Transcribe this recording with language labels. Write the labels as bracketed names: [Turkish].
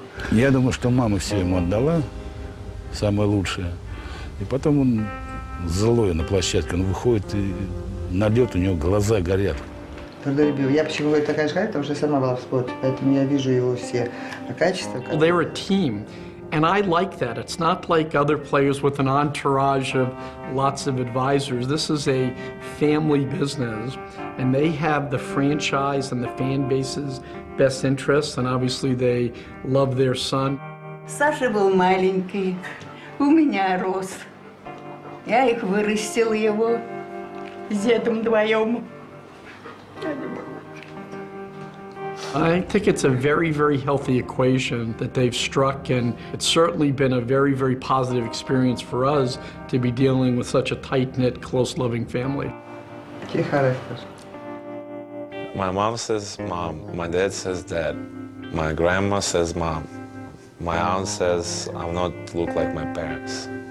[Russian] Я думаю, что мама все ему отдала, самое лучшее. И потом он злой на площадке, он выходит и на лед, у него глаза горят. Я почему говорю такая же, потому что сама была в спорте, поэтому я вижу его все качества. [English] They're a team, and I like that. It's not like other players with an entourage of lots of advisors. This is a family business, and they have the franchise and the fan base's best interests, and obviously they love their son. [Russian] Саша был маленький, у меня рос. Я их вырастил его с дедом вдвоем. [English] I think it's a very, very healthy equation that they've struck, and it's certainly been a very, very positive experience for us to be dealing with such a tight-knit, close, loving family. My mom says mom, my dad says dad, my grandma says mom, my aunt says I'm not look like my parents.